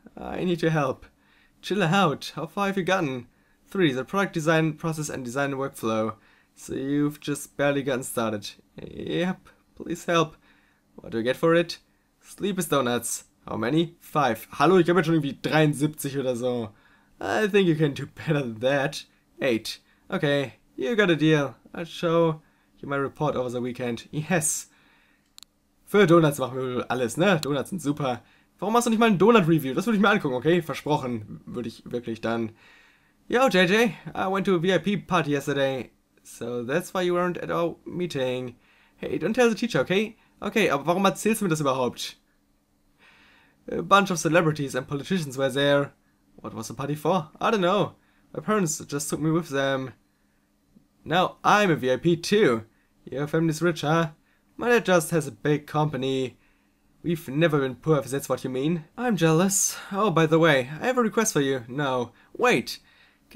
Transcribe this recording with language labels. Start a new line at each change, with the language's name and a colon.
English: I need your help. Chill out. How far have you gotten? 3. The product design, process and design workflow. So you've just barely gotten started. Yep. Please help. What do I get for it? Sleepless donuts. How many? 5.
German: Hallo, ich habe jetzt schon irgendwie 73 oder so.
English: I think you can do better than that. 8. Okay, you got a deal. I'll show you my report over the weekend. Yes.
German: Für Donuts machen wir alles, ne? Donuts sind super. Warum machst du nicht mal ein Donut-Review? Das würde ich mir angucken, okay? Versprochen. Würde ich wirklich dann. Yo, JJ.
English: I went to a VIP party yesterday. So that's why you weren't at our meeting. Hey, don't tell the teacher, okay?
German: Okay, aber warum erzählst du mir das überhaupt?
English: A bunch of celebrities and politicians were there. What was the party for? I don't know. My parents just took me with them. Now I'm a VIP too. Your family's rich, huh? My dad just has a big company. We've never been poor, if that's what you mean. I'm jealous. Oh, by the way, I have a request for you. No. Wait. K